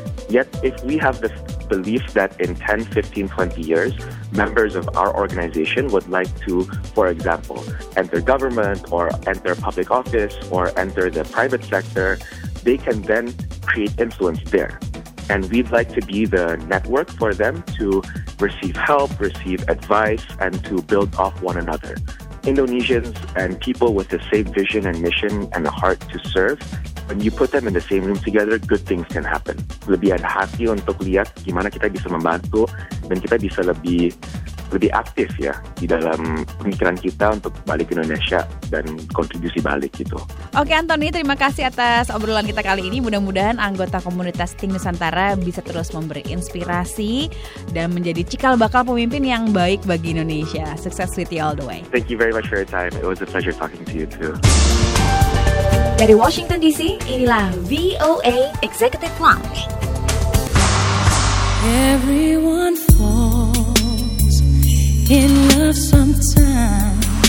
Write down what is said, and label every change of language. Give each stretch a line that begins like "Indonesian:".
English: Yet, if we have the belief that in 10, 15, 20 years, members of our organization would like to, for example, enter government or enter public office or enter the private sector, they can then create influence there. And we'd like to be the network for them to receive help, receive advice, and to build off one another. Indonesians and people with the same vision and mission and the heart to serve, when you put them in the same room together, good things can happen.
Indonesian: Lebih ada hati untuk lihat gimana kita bisa membantu dan kita bisa lebih aktif ya di dalam pemikiran kita untuk balik ke Indonesia dan kontribusi balik gitu. Oke Anthony, terima kasih atas obrolan kita kali ini. Mudah-mudahan anggota komunitas Think Nusantara bisa terus memberi inspirasi dan menjadi cikal bakal pemimpin yang baik bagi Indonesia.
English: Success with you all the way. Thank you very much for your time. It was a pleasure talking to you too.
Indonesian: Dari Washington DC, inilah VOA Executive Lounge.
English: Everyone falls in love sometimes.